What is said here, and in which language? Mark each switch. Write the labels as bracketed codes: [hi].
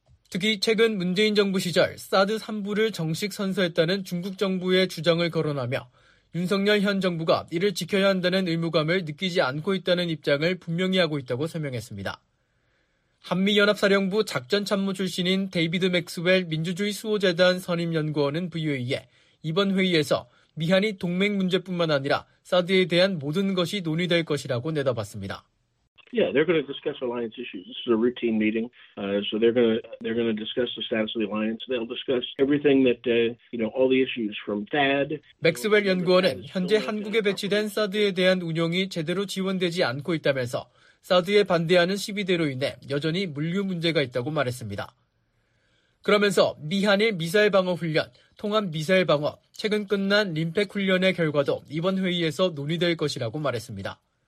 [ko] 특히 최근 문재인 정부 시절 사드 3부를 정식 선서했다는 중국 정부의 주장을 거론하며 윤석열 현 정부가 이를 지켜야 한다는 의무감을 느끼지 않고 있다는 입장을 분명히 하고 있다고 설명했습니다. 한미연합사령부 작전참모 출신인 데이비드 맥스웰 민주주의 수호재단 선임연구원은 VOA에 이번 회의에서 미한이 동맹 문제뿐만 아니라 사드에 대한 모든 것이 논의될 것이라고 내다봤습니다. [en] Yeah, they're going to discuss alliance issues. This is a routine meeting. So they're going to discuss the status of the alliance. They'll discuss everything that you know, all the issues from THAAD. [ko] 맥스웰 연구원은 현재 한국에 배치된 사드에 대한 운영이 제대로 지원되지 않고 있다면서 사드에 반대하는 시위대로 인해 여전히 물류 문제가 있다고 말했습니다. 그러면서 미한일 미사일 방어 훈련, 통합 미사일 방어, 최근 끝난 림팩 훈련의 결과도 이번 회의에서 논의될 것이라고 말했습니다.